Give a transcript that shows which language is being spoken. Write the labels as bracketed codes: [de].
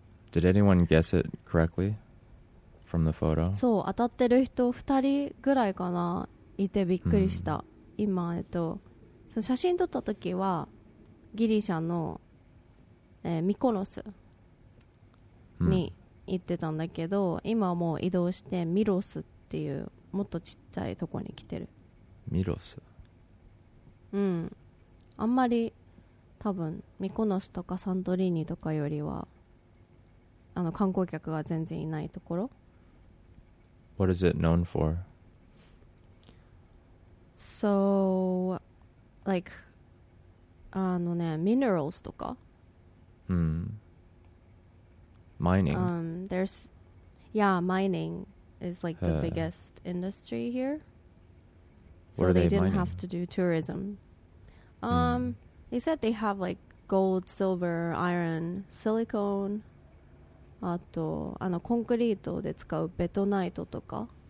[en] Did anyone guess it correctly from the photo? [ja] そう、当たってる人2人ぐらいかな、いてびっくりした。うん、今、その写真撮った時は、ギリシャの、ミコノスに行ってたんだけど、うん、今はもう移動してミロスっていう、もっとちっちゃいとこに来てる。ミロス。うん。あんまり多分ミコノスとかサントリーニとかよりは、あの観光客が全然いないところ。 [en] What is it known for? So, like, [ja] あのね、ミネラルスとか。 [en] うん。Mining. There's, yeah, mining. Is like the biggest industry here. So they didn't have to do tourism. They said they have like gold, silver, iron, silicone. [ja] あと、あのコンクリートで使うベトナイトとか。